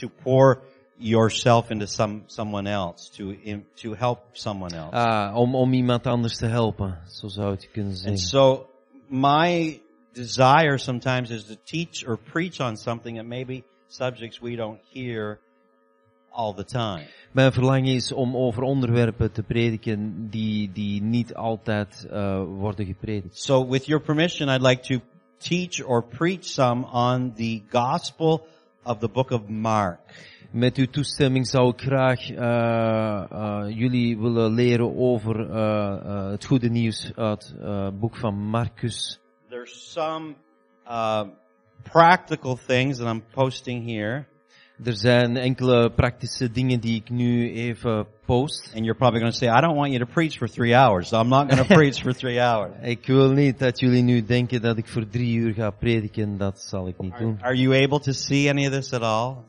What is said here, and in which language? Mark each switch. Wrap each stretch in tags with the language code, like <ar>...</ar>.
<en>To pour yourself into someone else to help someone else</en> <nl>om iemand anders te helpen, zo zou het kunnen zijn.</nl> <en>And so my desire sometimes is to teach or preach on something that maybe subjects we don't hear all the time.</en> <nl>Mijn verlangen is om over onderwerpen te prediken die niet altijd worden gepredikt.</nl> <en>So with your permission I'd like to teach or preach some on the gospel of the book of Mark.</en> <nl>Met uw toestemming zou ik graag jullie willen leren over het goede nieuws uit het boek van Marcus.</nl> <en>There's some practical things that I'm posting here.</en> <nl>Er zijn enkele praktische dingen die ik nu even post.</nl> <en>And you're probably going to say, I don't want you to preach for 3 hours, so I'm not going to preach for 3 hours.</en> <nl>Ik wil niet dat jullie nu denken dat ik voor 3 uur ga prediken. Dat zal ik niet doen.</nl> <en>Are you able to see any of this at all?</en>